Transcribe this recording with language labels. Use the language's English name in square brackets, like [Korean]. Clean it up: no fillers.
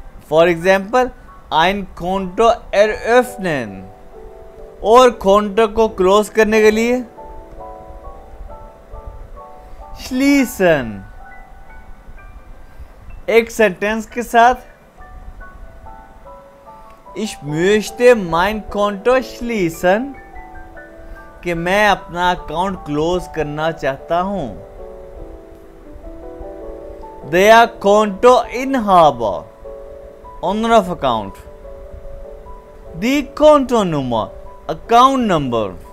[English] for example, [German] ein Konto eröffnen. [Hindi] और Konto को close करने के लिए schließen. एक सेंटेंस के साथ [German] Ich möchte mein Konto schließen. [Hindi] कि मैं अपना अकाउंट क्लोज करना चाहता हूं. [German] Der Kontoinhaber. [English] Owner of account. [German] Die Kontonummer. [English] Account number.